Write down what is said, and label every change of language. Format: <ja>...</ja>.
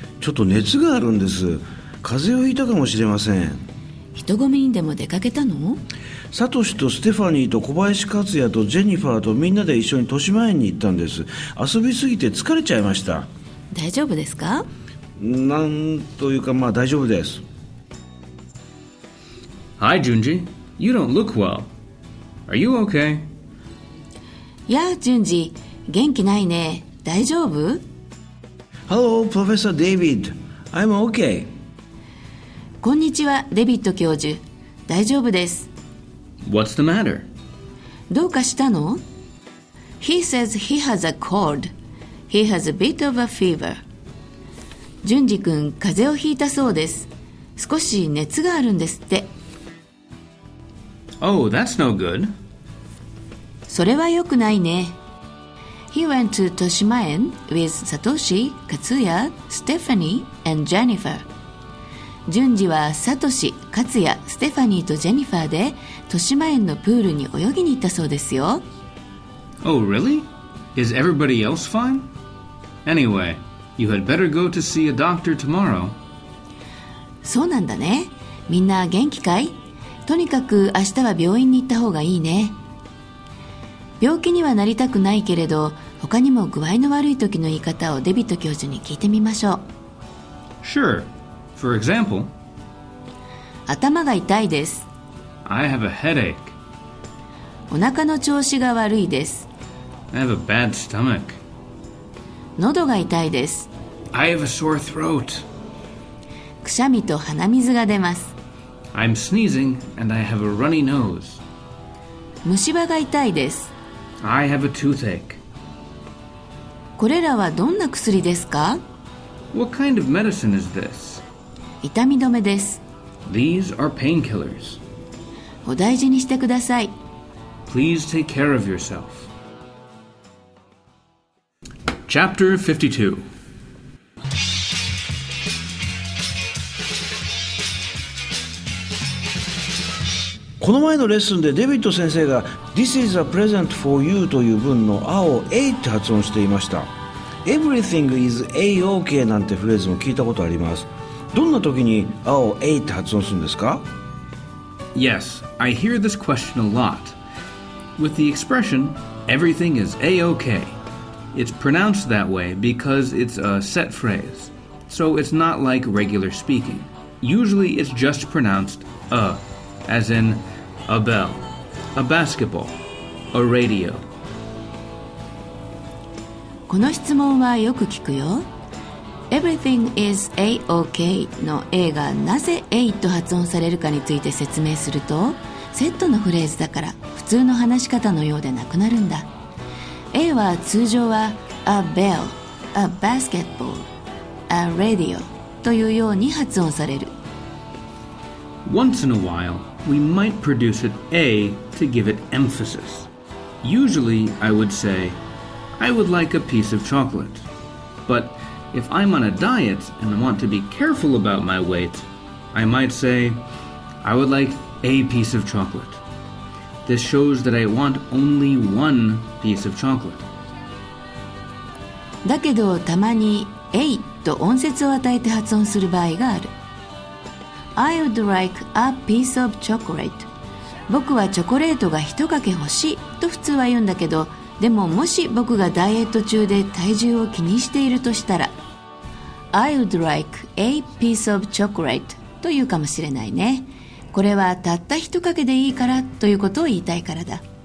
<ja>ちょっと熱があるんです。風邪をひいたかもしれません。人混みにでも出かけたの？サトシとステファニーと小林克也とジェニファーとみんなで一緒に豊島園に行ったんです。遊びすぎて疲れちゃいました。大丈夫ですか？なんというか、まあ大丈夫です。</ja> <en>Hi Junji, you don't look well. Are you okay?</en> <ja>やあ Junji, 元気ないね。大丈夫？</ja> <en>Hello Professor David, I'm okay.</en> <ja>こんにちはデビッド教授。大丈夫です。</ja> <en>What's the matter?</en> <ja>どうかしたの?</ja> <en>He says he has a cold. He has a bit of a fever.</en> <ja>ジュンジ君、風邪をひいたそうです。少し熱があるんですって。</ja> <en>Oh, that's no good.</en> <ja>それはよくないね。</ja> <en>He went to Toshimaen with Satoshi, Katsuya, Stephanie, and Jennifer.</en> <ja>ジュンジはサトシ、カツヤ、ステファニーとジェニファーで豊島園のプールに泳ぎに行ったそうですよ。</ja> <en>Oh really? Is everybody else fine? Anyway, you had better go to see a doctor tomorrow.</en> <ja>そうなんだね。みんな元気かい？とにかく明日は病院に行った方がいいね。病気にはなりたくないけれど、他にも具合の悪い時の言い方をデビット教授に聞いてみましょう。</ja> <en>Sure. For example,</en> <ja>頭が痛いです。</ja> <en>I have a headache.</en> <ja>お腹の調子が悪いです。</ja> <en>I have a bad stomach.</en> <ja>喉が痛いです。</ja> <en>I have a sore throat.</en> <ja>くしゃみと鼻水が出ます。</ja> <en>I'm sneezing and I have a runny nose.</en> <ja>虫歯が痛いです。</ja> <en>I have a toothache.</en> <ja>これらはどんな薬ですか?</ja> <en>What kind of medicine is this?</en> <ja>痛み止めです。</ja> <en>These are painkillers.</en> <ja>お大事にしてください。</ja> <en>Please take care of yourself. Chapter 52。</en> <ja>この前のレッスンでデビッド先生が</ja> <en>This is a present for you</en> <ja>という文の A を A って発音していました。</ja> <en>Everything is A-OK</en> <ja>なんてフレーズも聞いたことあります。どんな時に青 A って発音するんですか?</ja> <en>Yes, I hear this question a lot. With the expression, everything is A-OK. It's pronounced that way because it's a set phrase. So it's not like regular speaking. Usually it's just pronounced A, as in a bell, a basketball, a radio.</en> <ja>この質問はよく聞くよ。</ja> <en>Everything is A-OK</en> <ja>の A がなぜ A と発音されるかについて説明すると、セットのフレーズだから普通の話し方のようでなくなるんだ。 A は通常は</ja> <en>A bell, A basketball, A radio</en> <ja>というように発音される。</ja> <en>Once in a while, we might produce an A to give it emphasis. Usually, I would sayI would like a piece of chocolate. But if I'm on a diet and want to be careful about my weight, I might say, I would like a piece of chocolate. This shows that I want only one piece of chocolate.</en> <ja>だけどたまに A と音節を与えて発音する場合がある。</ja> <en>I would like a piece of chocolate.</en> <ja>僕はチョコレートが一かけ欲しいと普通は言うんだけど、でももし僕がダイエット中で体重を気にしているとしたら、</ja> <en>I would like a piece of chocolate</en> <ja>というかもしれないね。これはたった一かけでいいからということを言いたいからだ。</ja>